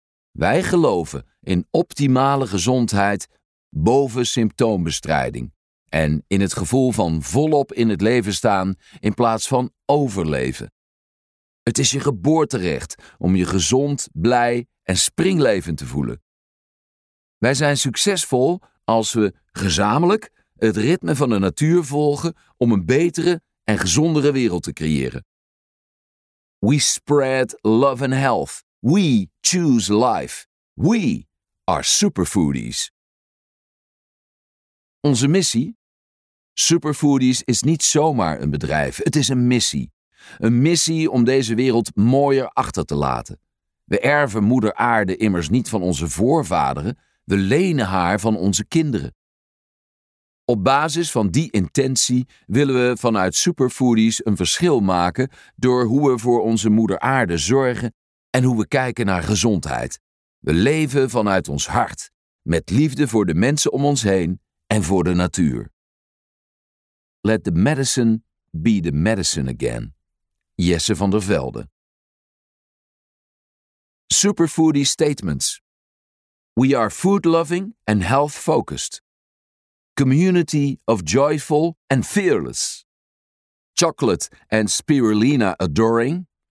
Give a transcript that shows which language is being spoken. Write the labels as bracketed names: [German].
[Dutch] Wij geloven in optimale gezondheid boven symptoombestrijding en in het gevoel van volop in het leven staan in plaats van overleven. Het is je geboorterecht om je gezond, blij en springlevend te voelen. Wij zijn succesvol als we gezamenlijk het ritme van de natuur volgen om een betere en gezondere wereld te creëren. [English] We spread love and health. We choose life. We are superfoodies. [Dutch] Onze missie? Superfoodies is niet zomaar een bedrijf. Het is een missie. Een missie om deze wereld mooier achter te laten. We erven moeder aarde immers niet van onze voorvaderen. We lenen haar van onze kinderen. Op basis van die intentie willen we vanuit Superfoodies een verschil maken door hoe we voor onze moeder aarde zorgen en hoe we kijken naar gezondheid. We leven vanuit ons hart, met liefde voor de mensen om ons heen en voor de natuur. [English] Let the medicine be the medicine again. Jesse van der Velde. Superfoodie statements. We are food loving and health focused. Community of joyful and fearless. Chocolate and spirulina adoring.